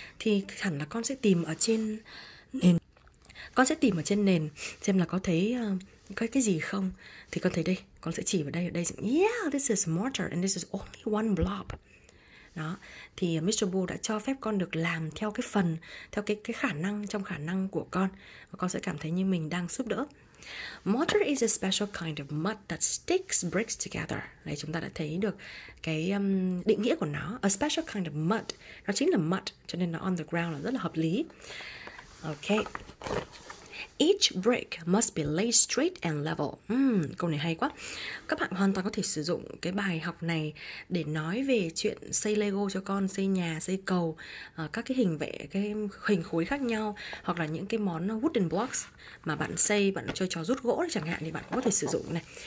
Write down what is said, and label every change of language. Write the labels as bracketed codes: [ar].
[vi] Thì hẳn là con sẽ tìm ở trên nền. Con sẽ tìm ở trên nền xem là có thấy cái gì không. Thì con thấy đây, con sẽ chỉ vào đây, ở đây. [en] Yeah, this is mortar, and this is only one blob. [vi] Đó, thì Mr. Bull đã cho phép con được làm theo cái phần, theo cái khả năng, trong khả năng của con. Và con sẽ cảm thấy như mình đang giúp đỡ. [en] Mortar is a special kind of mud that sticks bricks together. [vi] Đấy, chúng ta đã thấy được cái định nghĩa của nó. [en] A special kind of mud, [vi] nó chính là mud, cho nên nó [en] on the ground [vi] là rất là hợp lý. [en] Okay. Each brick must be laid straight and level. [vi] Câu này hay quá. Các bạn hoàn toàn có thể sử dụng cái bài học này để nói về chuyện xây Lego cho con, xây nhà, xây cầu, các cái hình vẽ, cái hình khối khác nhau, hoặc là những cái món wooden blocks mà bạn xây, bạn chơi trò rút gỗ chẳng hạn, thì bạn cũng có thể sử dụng này.